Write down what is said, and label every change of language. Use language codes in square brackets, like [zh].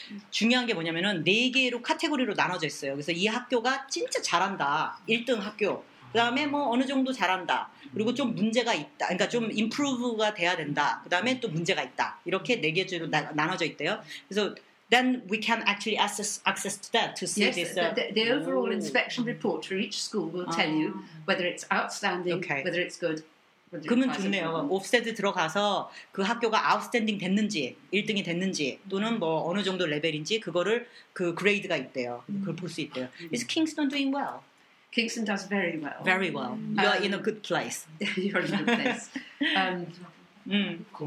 [ko] 중요한 게 뭐냐면은 네 개로 카테고리로 나눠져 있어요. 그래서 이 학교가 진짜 잘한다. 1등 학교. 그다음에 뭐 어느 정도 잘한다. 그리고 좀 문제가 있다. 그러니까 좀 improve가 돼야 된다. 그다음에 또 문제가 있다. 이렇게 네 개로 나눠져 있대요. [en] 그래서 then we can actually access to that to see yes, this. The overall inspection report for each school will tell you whether it's outstanding, okay. whether it's good. [ko] 그러면 좋네요. 옵셋 들어가서 그 학교가 아웃스탠딩 됐는지 1등이 됐는지 또는 뭐 어느 정도 레벨인지 그거를 그 그레이드가 있대요. 그걸 볼 수 있대요. [en] Is Kingston doing well? Kingston does very well. Very well. You are in a good place. You're in a good place.